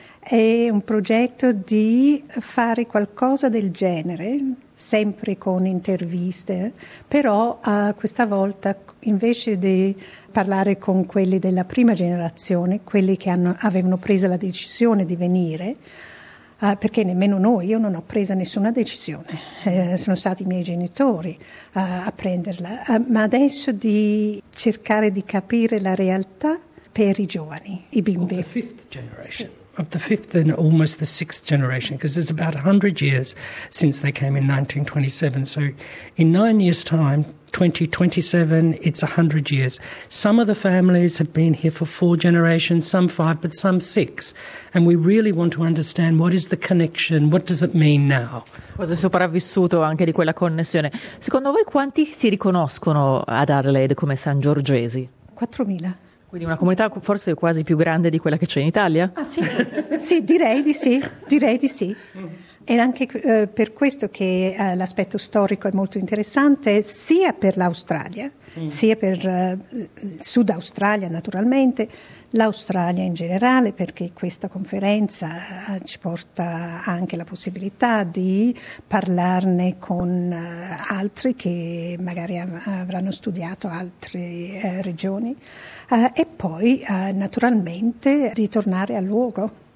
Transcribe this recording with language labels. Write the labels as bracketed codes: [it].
[it] è un progetto di fare qualcosa del genere, sempre con interviste, però questa volta invece di parlare con quelli della prima generazione, quelli che avevano preso la decisione di venire, perché nemmeno noi, io non ho preso nessuna decisione, sono stati i miei genitori a prenderla, ma adesso di cercare di capire la realtà per i giovani, i bimbi. [en] The fifth generation. [it] Sì. [en] Of the fifth and almost the sixth generation, because it's about 100 years since they came in 1927. So in 9 years' time, 2027, it's 100 years. Some of the families have been here for four generations, some five, but some six. And we really want to understand what is the connection, what does it mean now? [it] Cosa è sopravvissuto anche di quella connessione. Secondo voi quanti si riconoscono ad Adelaide come San Giorgesi? 4.000. Quindi una comunità forse quasi più grande di quella che c'è in Italia? Ah sì, sì, direi di sì, direi di sì. E anche per questo che l'aspetto storico è molto interessante, sia per l'Australia, sia per il Sud Australia naturalmente, l'Australia in generale, perché questa conferenza ci porta anche la possibilità di parlarne con altri che magari avranno studiato altre regioni, e poi naturalmente di tornare al luogo.